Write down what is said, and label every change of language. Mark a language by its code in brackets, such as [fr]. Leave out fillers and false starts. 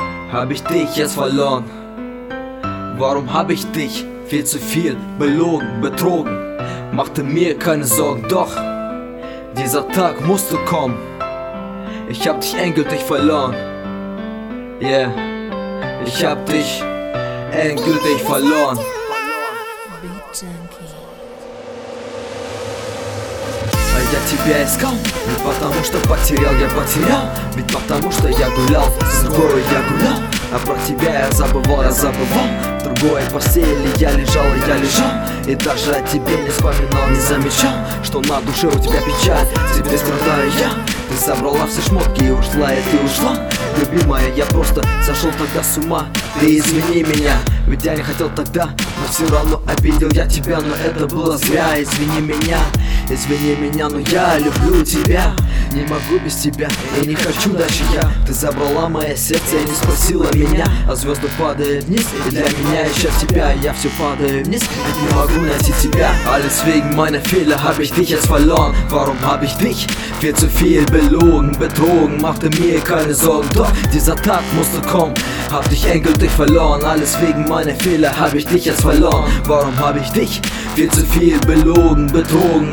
[de] Hab ich dich jetzt verloren? Warum hab ich dich viel zu viel belogen, betrogen? Machte mir keine Sorgen, doch dieser Tag musste kommen. Ich hab dich endgültig verloren. Yeah, ich hab dich endgültig verloren. [ru] Я тебя искал, не потому что потерял, я потерял. Ведь потому что я гулял, с другой я гулял. А про тебя я забывал в другой постели я лежал. И даже о тебе не вспоминал, не замечал, что на душе у тебя печаль, теперь страдаю я. Ты собрала все шмотки и ушла, и ты ушла. Любимая, я просто сошел тогда с ума. Ты извини меня, ведь я не хотел тогда. Но все равно обидел я тебя, но это было зря. Извини меня, извини меня, но я люблю тебя. Не могу без тебя, и не хочу дальше я. Ты забрала мое сердце и не спросила меня. А звезды падают вниз, и для меня ища тебя. Я все падаю вниз, ведь не могу найти тебя. [de] Alles wegen meiner Fehler hab ich dich jetzt verloren. Warum hab ich dich viel zu viel belogen, betrogen? Machte mir keine Sorgen, doch dieser Tag musste kommen. Hab dich endgültig verloren. Alles wegen meiner Fehler hab ich dich jetzt verloren. Warum hab ich dich viel zu viel belogen, betrogen?